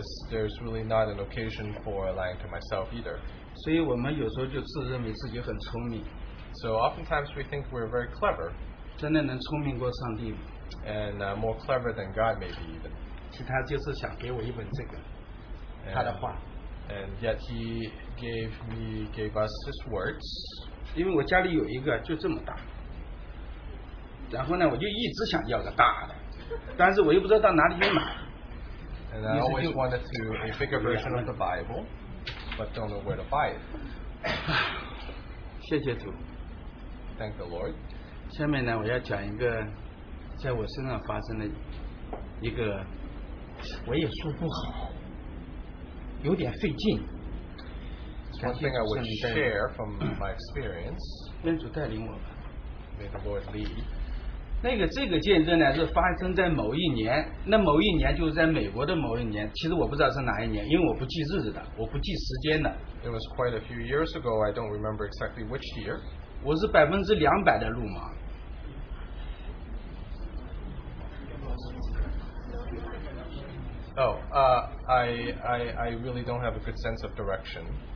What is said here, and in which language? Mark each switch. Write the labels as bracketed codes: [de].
[en] There's really not an occasion for lying to myself either. [zh] 所以我们有时候就自认为自己很聪明。 [en] So oftentimes we think we're very clever. [zh] 真的能聪明过上帝吗？ [en] And more clever than God maybe even. [zh] 其他就是想给我一本这个。 [en] And yet he gave us his words. [zh] 因为我家里有一个就这么大, 然后呢, 我就一直想要个大的, 但是我又不知道到哪里去买。 [en] And I always wanted to a bigger version of the Bible, but don't know where to buy it. [zh] 谢谢主。 [en] Thank the Lord. [zh] 下面呢, 我要讲一个在我身上发生的一个, 我也说不好。有点费劲 [en] One thing I would share from my experience [zh] 愿主带领我吧 [en] May the Lord lead [zh] 那个这个见证呢 是发生在某一年 那某一年就是在美国的某一年 其实我不知道是哪一年 因为我不记日子的 我不记时间的 [en] It was quite a few years ago I don't remember exactly which year [zh] 我是200%的鲁莽 [en] Oh, I really don't have a good sense of direction.